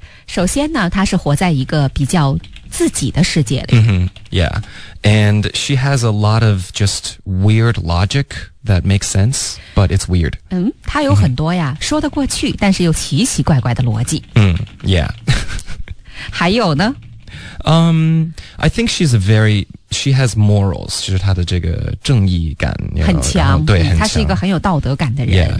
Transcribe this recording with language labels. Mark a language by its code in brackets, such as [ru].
[zh] 首先呢她是活在一个比较自己的世界里、 [en] Yeah, and she has a lot of just weird logic that makes sense, but it's weird. [zh] 她有很多呀、说得过去但是又奇奇怪怪的逻辑。 [en] Yeah. [zh] 还有呢， [en] I think she has morals, [zh] 就是她的这个正义感 [en] you know, [zh] 很强，对，很强，她是一个很有道德感的人。